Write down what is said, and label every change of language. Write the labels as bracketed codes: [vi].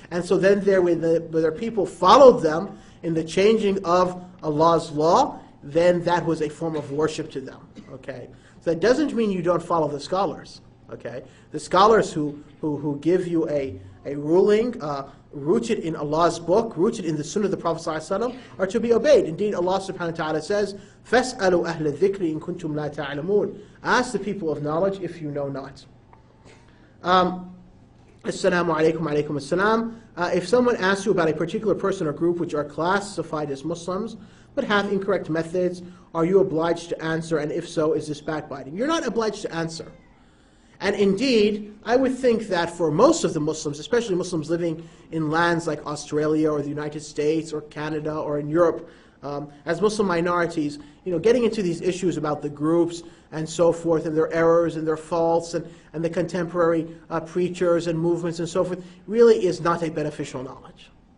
[en] And so then there, when their people followed them in the changing of Allah's law, then that was a form of worship to them. Okay, so that doesn't mean you don't follow the scholars. Okay, the scholars who give you a ruling rooted in Allah's book, rooted in the Sunnah of the Prophet ﷺ, are to be obeyed. Indeed, Allah subhanahu wa ta'ala says, [ar] فَاسْأَلُوا أَهْلَ الذِّكْرِ إِن كُنْتُمْ لَا تَعْلَمُونَ. [en] Ask the people of knowledge if you know not. As-salamu alaykum, alaykum as-salam. If someone asks you about a particular person or group which are classified as Muslims, but have incorrect methods, are you obliged to answer? And if so, is this backbiting? You're not obliged to answer. And indeed, I would think that for most of the Muslims, especially Muslims living in lands like Australia or the United States or Canada or in Europe, as Muslim minorities, you know, getting into these issues about the groups and so forth and their errors and their faults and the contemporary preachers and movements and so forth really is not a beneficial knowledge.